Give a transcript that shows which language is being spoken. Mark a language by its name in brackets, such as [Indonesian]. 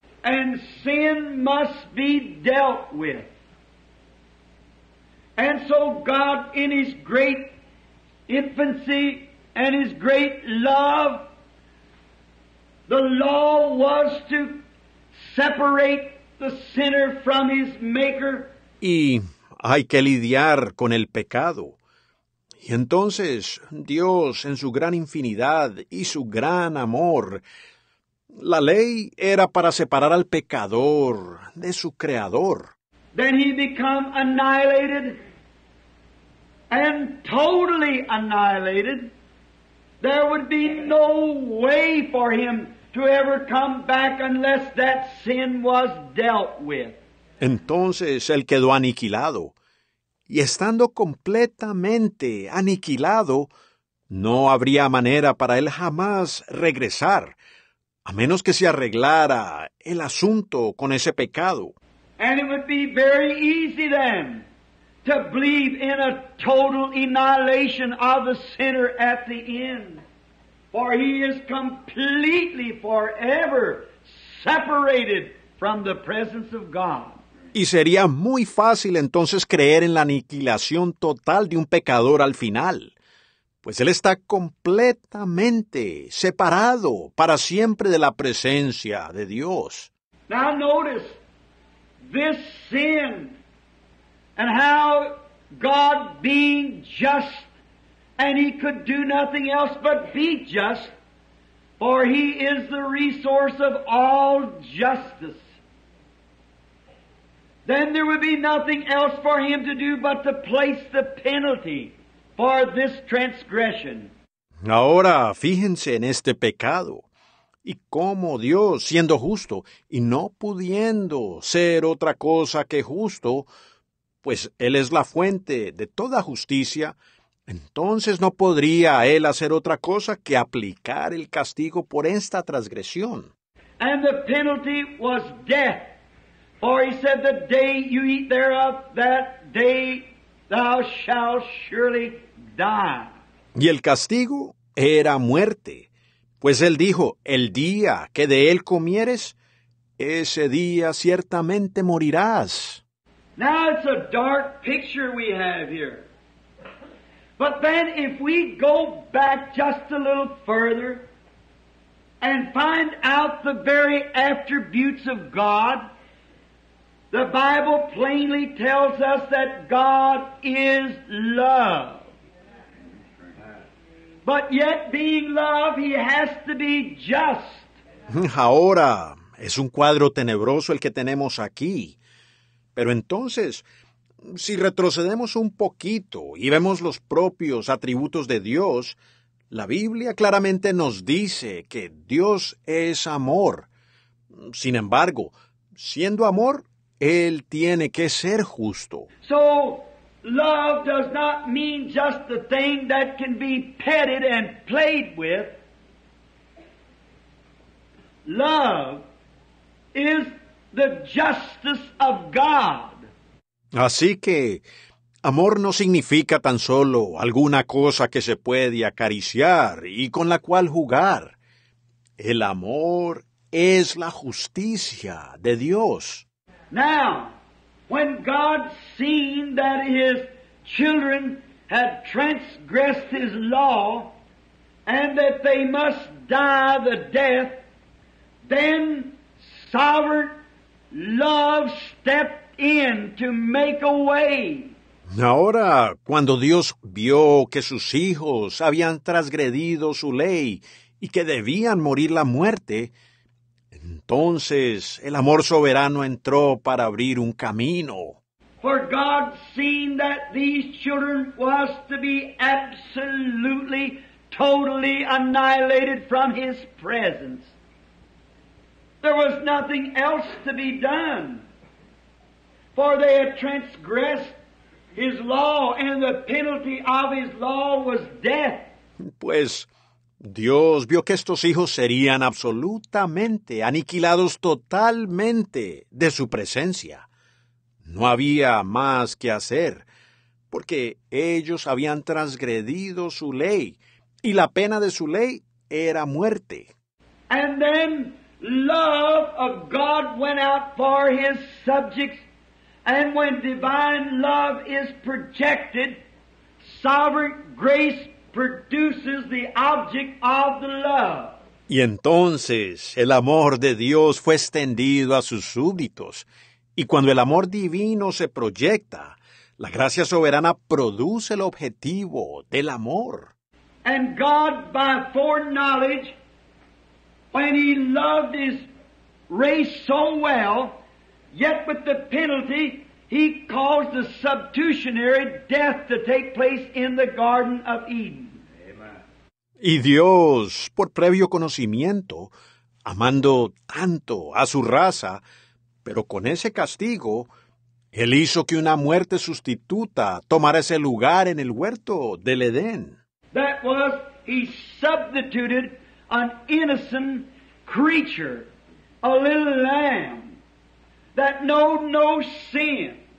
[English] And sin must be dealt with. And so God, in his great infancy and his great love, the law was to separate the sinner from his maker. [Spanish] Y hay que lidiar con el pecado. Y entonces, Dios, en su gran infinidad y su gran amor, la ley era para separar al pecador de su creador. [English] Then he became annihilated and totally annihilated. There would be no way for him to ever come back unless that sin was dealt with. [Spanish] Entonces él quedó aniquilado. Y estando completamente aniquilado, no habría manera para él jamás regresar, a menos que se arreglara el asunto con ese pecado. [English] And it would be very easy then to believe in a total annihilation of the sinner at the end, for he is completely forever separated from the presence of God. [Spanish] Y sería muy fácil entonces creer en la aniquilación total de un pecador al final, pues él está completamente separado para siempre de la presencia de Dios. [English] Now notice this sin and how God being just and he could do nothing else but be just, for he is the resource of all justice. Then there would be nothing else for him to do but to place the penalty for this transgression. [Spanish] Ahora, fíjense en este pecado y cómo Dios, siendo justo y no pudiendo ser otra cosa que justo, pues Él es la fuente de toda justicia, entonces no podría Él hacer otra cosa que aplicar el castigo por esta transgresión. [English] And the penalty was death. For he said, the day you eat thereof, that day thou shalt surely die. [Spanish] Y el castigo era muerte, pues él dijo, el día que de él comieres, ese día ciertamente morirás. [English] Now it's a dark picture we have here. But then if we go back just a little further and find out the very attributes of God, the Bible plainly tells us that God is love. But yet, being love, he has to be just. [Spanish] Ahora, es un cuadro tenebroso el que tenemos aquí. Pero entonces, si retrocedemos un poquito y vemos los propios atributos de Dios, la Biblia claramente nos dice que Dios es amor. Sin embargo, siendo amor, Él tiene que ser justo. [English] So, love does not mean just the thing that can be petted and played with. Love is the justice of God. [Spanish] Así que, amor no significa tan solo alguna cosa que se puede acariciar y con la cual jugar. El amor es la justicia de Dios. [English] Now, when God seen that his children had transgressed his law and that they must die the death, then sovereign love stepped in to make a way. [Spanish] Ahora, cuando Dios vio que sus hijos habían transgredido su ley y que debían morir la muerte, entonces el amor soberano entró para abrir un camino. [English] For God seen that these children was to be absolutely, totally annihilated from His presence. There was nothing else to be done, for they had transgressed His law, and the penalty of His law was death. [Spanish] Pues Dios vio que estos hijos serían absolutamente aniquilados totalmente de su presencia. No había más que hacer, porque ellos habían transgredido su ley, y la pena de su ley era muerte. [English] And then love of God went out for His subjects, and when divine love is projected, sovereign grace produces the object of the love. [Spanish] Y entonces el amor de Dios fue extendido a sus súbditos. Y cuando el amor divino se proyecta, la gracia soberana produce el objetivo del amor. [English] And God, by foreknowledge, when He loved His race so well, yet with the penalty, He caused the substitutionary death to take place in the Garden of Eden. Amen. [Spanish] Y Dios, por previo conocimiento, amando tanto a su raza, pero con ese castigo, Él hizo que una muerte sustituta tomara ese lugar en el huerto del Edén. [English] That was, He substituted an innocent creature, a little lamb, that knew no sin.